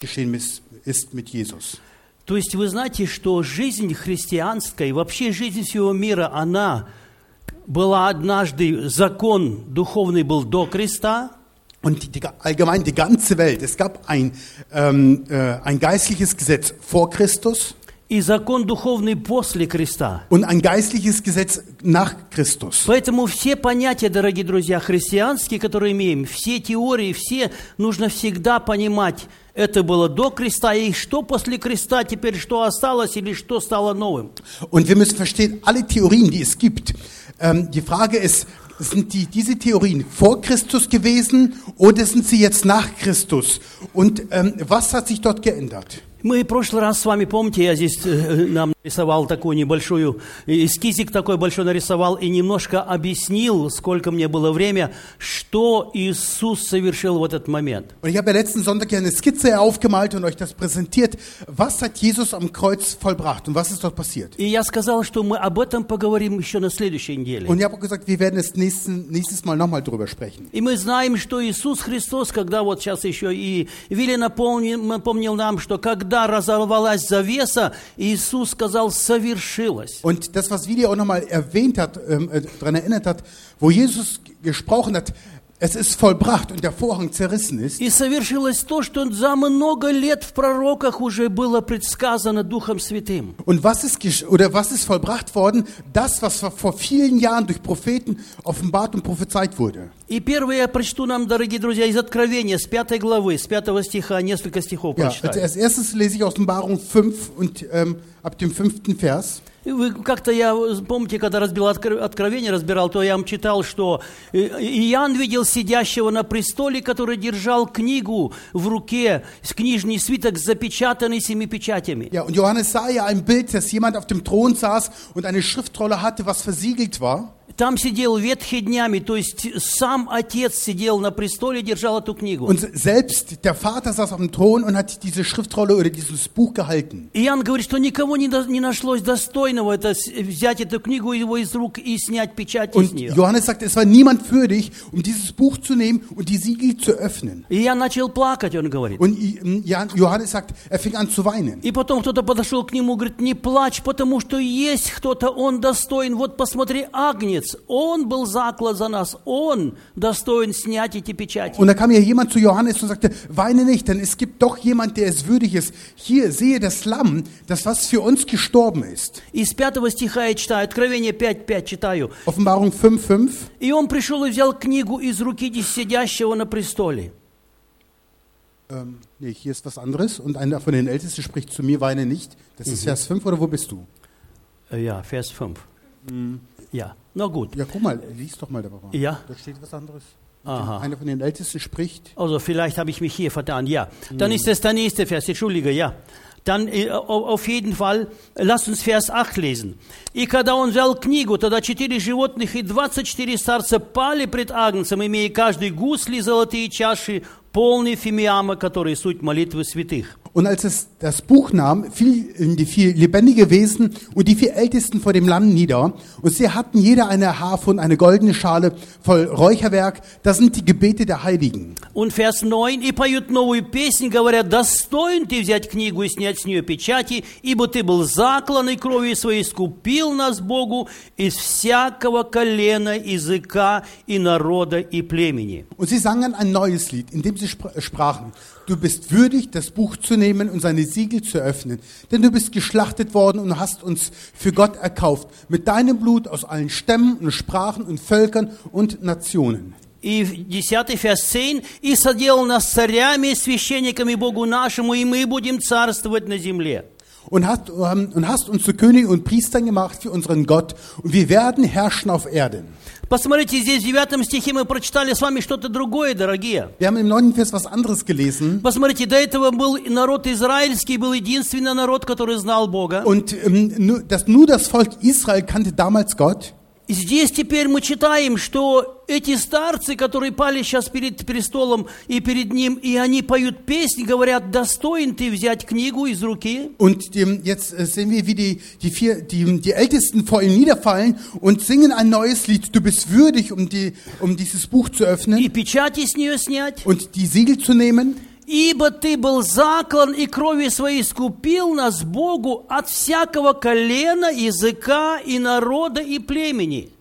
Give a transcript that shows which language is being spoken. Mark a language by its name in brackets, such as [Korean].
[German] geschehen ist mit Jesus. [Russian] То есть вы знаете, что жизнь христианская и вообще жизнь всего мира, она была однажды закон духовный был до креста. [German] Und die allgemein die ganze Welt, es gab ein geistliches Gesetz vor Christus. [Russian] И закон духовный после креста. [German] Und ein geistliches Gesetz nach Christus. [Russian] Поэтому все понятия, дорогие друзья, христианские, которые имеем, все теории, все нужно всегда понимать. Это было до креста, и что после креста, теперь что осталось или что стало новым? [German] Und wir müssen verstehen, alle Theorien, die es gibt, die Frage ist, sind diese Theorien vor Christus gewesen oder sind sie jetzt nach Christus? Und was hat sich dort geändert? [Russian] Мы в прошлый раз с вами, помните, я здесь нам нарисовал такую небольшую, эскизик такой большой нарисовал и немножко объяснил, сколько мне было время, что Иисус совершил в этот момент. [German] Und ich habe letzten Sonntag eine Skizze aufgemalt und euch das präsentiert. Was hat Jesus am Kreuz vollbracht und was ist dort passiert? [Russian] И я сказал, что мы об этом поговорим еще на следующей неделе. [German] Und ich habe gesagt, wir werden es nächstes Mal nochmal drüber sprechen. [Russian] И мы знаем, что Иисус Христос, когда вот сейчас еще и Вилли напомнил нам, что когда разорвалась завеса, Иисус сказал, совершилось. [German] Und das, was Willi auch nochmal erwähnt hat, daran erinnert hat, wo Jesus gesprochen hat, es ist vollbracht und der Vorhang zerrissen ist. [Russian] И совершилось то, что за много лет в пророках уже было предсказано Духом Святым. [German] Und was ist vollbracht worden? Das, was vor vielen Jahren durch Propheten offenbart und prophezeit wurde. [Russian] И первое я прочту нам, дорогие друзья, из Откровения, с 5 главы, с 5 стиха, несколько стихов прочитаю. [German] Ja, als erstes lese ich Offenbarung 5 und ab dem 5. Vers. [Russian] Вы как-то, я помните, когда разбил Откровение, разбирал, то я вам читал, что Иоанн видел сидящего на престоле, который держал книгу в руке, книжный свиток, запечатанный семи печатями. [German] Ja, und Johannes sah ja ein Bild, dass jemand auf dem Thron saß und eine Schriftrolle hatte, was versiegelt war. [Russian] Там сидел ветхий днями, то есть сам отец сидел на престоле и держал эту книгу. [German] Und selbst der Vater saß auf dem Thron und hat diese Schriftrolle oder dieses Buch gehalten. [Russian] Иоанн говорит, что никого не нашлось достойного это взять эту книгу его из рук и снять печать [German] und [Russian] из нее. [German] Johannes sagt, es war niemand für dich, um dieses Buch zu nehmen und die Siegel zu öffnen. [Russian] И Иоанн начал плакать, он говорит. [German] Und Johannes sagt, er fing an zu weinen. [Russian] И потом кто-то подошел к нему и говорит, не плачь, потому что есть кто-то, он достоин. Вот посмотри, Агнец. Он был заклад за нас. Он достоин снять эти печати. [German] Und da kam ja jemand zu Johannes und sagte: Weine nicht, denn es gibt doch jemand, der es würdig ist. Hier sehe das Lamm, das was für uns gestorben ist. [Russian] Из 5 стиха я читаю, Откровение 5:5 читаю. [German] Offenbarung 5:5. [Russian] И он пришел и взял книгу из руки сидящего на престоле. [German] Nee, hier ist was anderes. Und einer von den Ältesten spricht zu mir: Weine nicht. Das ist Vers 5 oder wo bist du? Ja, Vers 5. Ja. Na gut. Ja, guck mal, lies doch mal da mal. Ja. Da steht was anderes. Aha. Einer von den Ältesten spricht. Also vielleicht habe ich mich hier vertan, ja. Dann ist es der nächste Vers, entschuldige, ja. Dann auf jeden Fall, lass uns Vers 8 lesen. [Russian] И когда он взял книгу, тогда 4 животных и 24 старца пали пред Агнцем, имея каждый гусли, золотые чаши, полные фимиама, которые суть молитвы святых. [German] Und als es das Buch nahm, fielen die vier lebendige Wesen und die vier Ältesten vor dem Lamm nieder. Und sie hatten jeder eine Harfe und eine goldene Schale voll Räucherwerk. Das sind die Gebete der Heiligen. Und Vers 9, [Russian] и поют новую песнь, говоря, достоин ты взять книгу и снять с нее печати, ибо ты был заклан и кровью своей искупил нас Богу из всякого колена, языка и народа и племени. [German] Und sie sangen ein neues Lied, in dem sie sprachen, du bist würdig, das Buch zu nehmen und seine Siegel zu öffnen, denn du bist geschlachtet worden und hast uns für Gott erkauft, mit deinem Blut aus allen Stämmen und Sprachen und Völkern und Nationen. [Russian] И 10 [German] Vers 10, [Russian] и соделал нас царями и священниками Богу нашему, и мы будем царствовать на земле. [German] Und hast uns zu Königen und Priestern gemacht für unseren Gott, und wir werden herrschen auf Erden. [Russian] Посмотрите, здесь в 9 стихе мы прочитали с вами что-то другое, дорогие. [German] Wir haben im 9. Vers was anderes gelesen. [Russian] Посмотрите, до этого был народ израильский, был единственный народ, который знал Бога. [German] Und nur das Volk Israel kannte damals Gott. [Russian] И здесь теперь мы читаем, что эти старцы, которые пали сейчас перед престолом и перед ним, и они поют песни, говорят, достоин ты взять книгу из руки. [German] Und jetzt sehen wir, wie die Ältesten vor ihm niederfallen und singen ein neues Lied, du bist würdig, um dieses Buch zu öffnen. [Russian] И печати с нее снять. [German] Und die Siegel zu nehmen. [Russian] Ибо ты был заклан и кровью своей искупил нас Богу от всякого колена, языка и народа и племени.